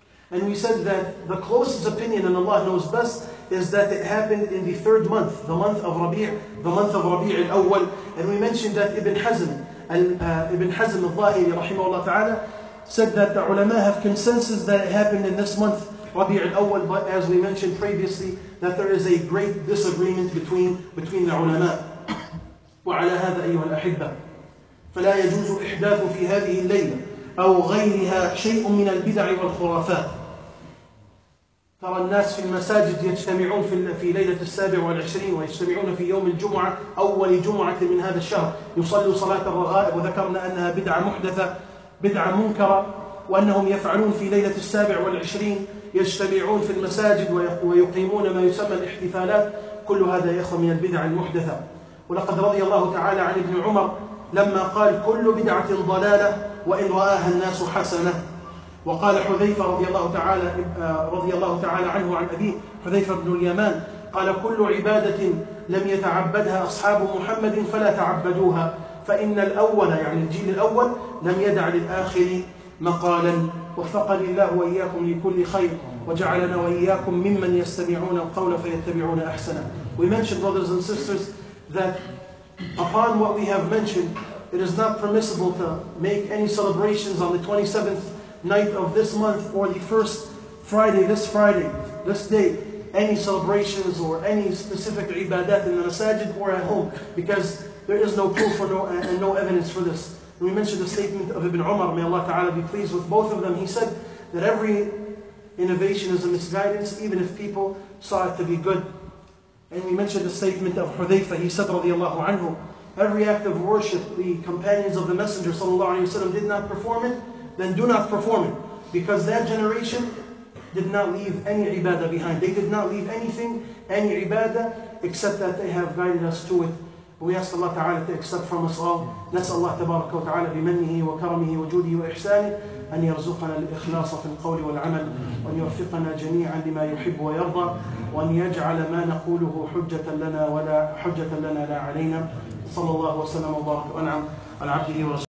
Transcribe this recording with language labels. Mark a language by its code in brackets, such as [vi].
[en] And we said that the closest opinion, and Allah knows best, is that it happened in the third month, the month of Rabi', the month of Rabi' al-Awwal. And we mentioned that Ibn Hazm al-Dahiri rahimahullah ta'ala said that the ulama have consensus that it happened in this month, Rabi' al-Awwal, but as we mentioned previously, that there is a great disagreement between the ulama. [ar] وعلى هذا أيها الأحبة فلا يجوز إحداث في هذه الليلة أو غيرها شيء من البدع والخرافات. ترى الناس في المساجد يجتمعون في ليلة 27 ويجتمعون في يوم الجمعة أول جمعة من هذا الشهر يصلوا صلاة الرغائب، وذكرنا أنها بدعة محدثة، بدعة منكرة، وأنهم يفعلون في ليلة 27 يجتمعون في المساجد ويقيمون ما يسمى الاحتفالات. كل هذا يخرج من البدع المحدثة. ولقد رضي الله تعالى عن ابن عمر لما قال كل بدعة ضلالة وإن رآها الناس حسنة. وقال حذيفة رضي الله تعالى عنه عن أبيه حذيفة بن اليمان قال كل عبادة لم يتعبدها أصحاب محمد فلا تعبدوها، فإن الأول يعني الجيل الأول لم يدع للآخر مقالا. وفقني الله وإياكم لكل خير وجعلنا وإياكم ممن يستمعون القول فيتبعون أحسنه. [en] We mentioned, brothers and sisters, that upon what we have mentioned, it is not permissible to make any celebrations on the 27th night of this month or the first Friday, this day, any celebrations or any specific ibadat in the masajid or at home, because there is no proof and no evidence for this. And we mentioned the statement of Ibn Umar, may Allah Ta'ala be pleased with both of them. He said that every innovation is a misguidance, even if people saw it to be good. And we mentioned the statement of Hudhayfa, he said radiallahu anhu, every act of worship the companions of the Messenger sallallahu alayhi wa sallam did not perform it, then do not perform it. Because that generation did not leave any ibadah behind. They did not leave anything, any ibadah, except that they have guided us to it. We ask Allah Ta'ala to accept from us all. [ar] نسأل الله تبارك وتعالى بمنه وكرمه وجوده وإحسانه أن يرزقنا الإخلاص في القول والعمل، وأن يوفقنا جميعا لما يحب ويرضى، وأن يجعل ما نقوله حجة لنا لا علينا. صلى الله وسلم وبارك وأنعم على عبده ورسوله.